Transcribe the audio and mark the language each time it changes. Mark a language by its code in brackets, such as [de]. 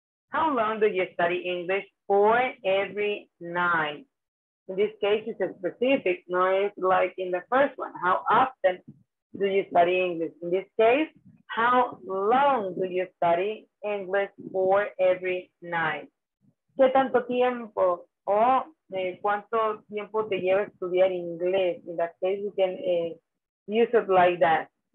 [en] How long do you study English for every night? In this case, it's a specific, no, it's like in the first one. How often do you study English? In this case, how long do you study English for every night? [es] ¿Qué tanto tiempo o cuánto tiempo te lleva a estudiar inglés? [en] In that case, you can use it like that.